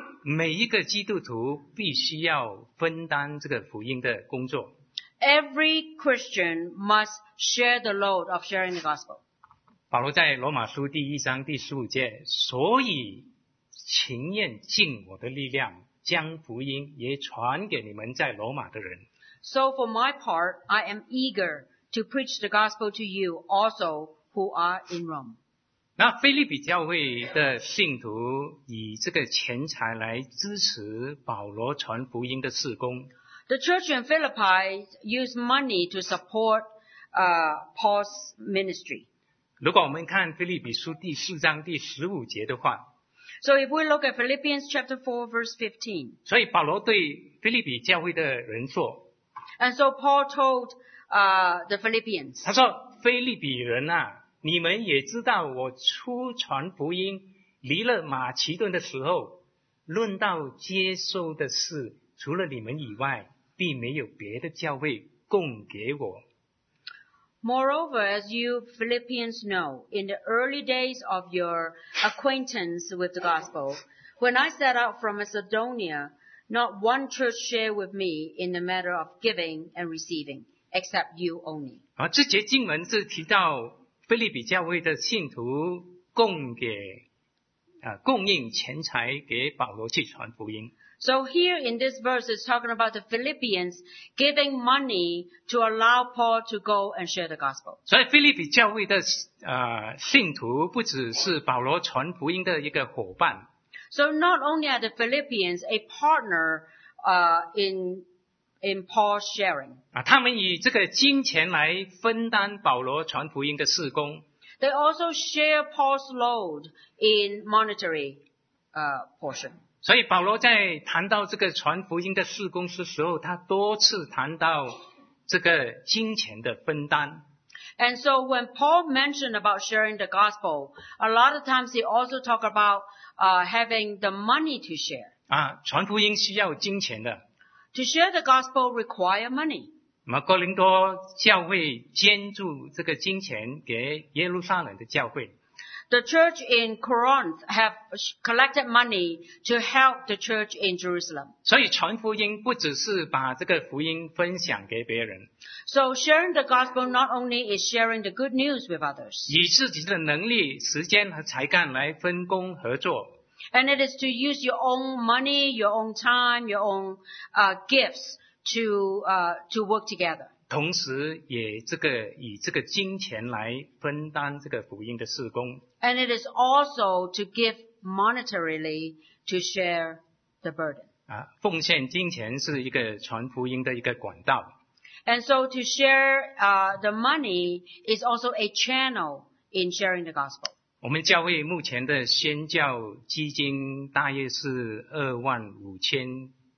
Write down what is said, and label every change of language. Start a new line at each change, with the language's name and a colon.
Chinese: 每一个基督徒必须要分担这个福音的工作。
English: Every Christian must share the load of sharing the gospel.
Chinese: 保罗在罗马书第一章第十五节，所以情愿尽我的力量，将福音也传给你们在罗马的人。
English: So for my part, I am eager to preach the gospel to you also who are in Rome.
Chinese: 那腓立比教会的信徒以这个钱财来支持保罗传福音的事工。
English: The church in Philippi used money to support Paul's ministry.
Chinese: 如果我们看腓立比书第四章第十五节的话，
English: So if we look at Philippians chapter 4 verse 15,
Chinese: 所以保罗对腓立比教会的人说，
English: And so Paul told the Philippians,
Chinese: 他说腓立比人啊，你们也知道我初传福音离了马其顿的时候，论到接受的事，除了你们以外，并没有别的教会供给我。
English: Moreover, as you Philippians know, in the early days of your acquaintance with the gospel, when I set out from Macedonia, not one church shared with me in the matter of giving and receiving, except you only.
Chinese: 这节经文是提到腓立比教会的信徒供给供应钱财给保罗去传福音。
English: So here in this verse is talking about the Philippians giving money to allow Paul to go and share the gospel.
Chinese: 所以腓立比教会的信徒不只是保罗传福音的一个伙伴。
English: So not only are the Philippians a partner in Paul sharing.
Chinese: 他们以这个金钱来分担保罗传福音的事工。
English: They also share Paul's load in monetary portion.
Chinese: 所以保罗在谈到这个传福音的事工的时候，他多次谈到这个金钱的分担。
English: And so when Paul mentioned about sharing the gospel, a lot of times he also talked about having the money to share.
Chinese: 传福音需要金钱的。
English: To share the gospel require money.
Chinese: 哥林多教会捐助这个金钱给耶路撒冷的教会。
English: The church in Corinth have collected money to help the church in Jerusalem.
Chinese: 所以传福音不只是把这个福音分享给别人。
English: So sharing the gospel not only is sharing the good news with others.
Chinese: 以自己的能力、时间和才干来分工合作。
English: And it is to use your own money, your own time, your own gifts. To work together.
Chinese: 同时也这个以这个金钱来分担这个福音的事工。
English: And it is also to give monetarily to share the burden.
Chinese: 奉献金钱是一个传福音的一个管道。
English: And so to share the money is also a channel in sharing the gospel.
Chinese: 我们教会目前的宣教基金大约是$25,000。